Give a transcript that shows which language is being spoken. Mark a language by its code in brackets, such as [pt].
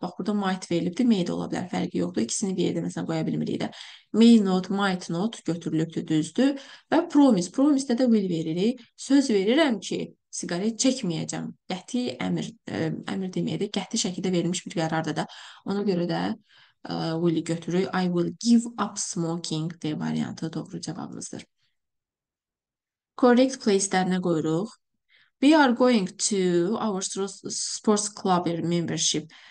[az] Bax, burada might verilibdir, may da ola bilər, fərqi yoxdur. İkisini bir yerdə, məsələn, qoya bilmirik də. May not, might not götürülübdür, düzdür. Və promise. Promise-də də will veririk. Söz verirəm ki, siqaret çəkməyəcəm. Qəti əmr deməyədir. Qəti şəkildə verilmiş bir qərardır da. Ona görə də will götürür. [en] I will give up smoking [az] D variantı doğru cavabımızdır. Correct place-lərinə qoyuruq. [en] We are going to our sports club membership.